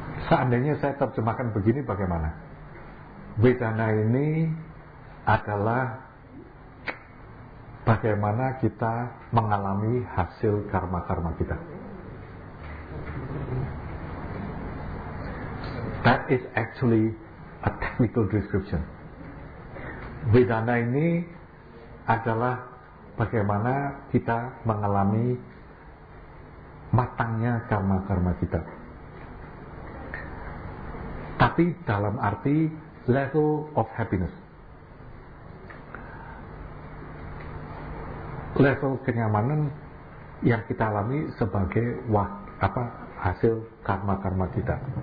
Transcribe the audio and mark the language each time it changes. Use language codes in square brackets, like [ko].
[id] Seandainya saya terjemahkan begini bagaimana? Vedana ini adalah bagaimana kita mengalami hasil karma-karma kita. [en] That is actually a technical description. [id] Vedana ini adalah bagaimana kita mengalami matangnya karma-karma kita. Tapi dalam arti [en] level of happiness, [id] level kenyamanan yang kita alami sebagai hasil karma-karma kita.